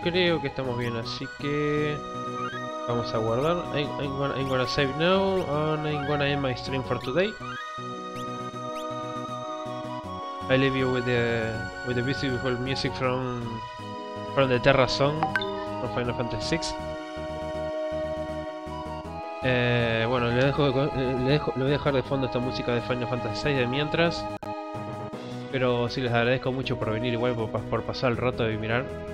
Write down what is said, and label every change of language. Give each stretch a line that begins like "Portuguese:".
Spanish: Creo que estamos bien, así que vamos a guardar.
English: I'm gonna save now and I'm gonna end my stream for today. I leave you with the beautiful music from the Terra Song from Final Fantasy VI.
Spanish: Bueno, lo voy a dejar de fondo esta música de Final Fantasy VI de mientras. Pero sí, les agradezco mucho por venir igual, por pasar el rato y mirar.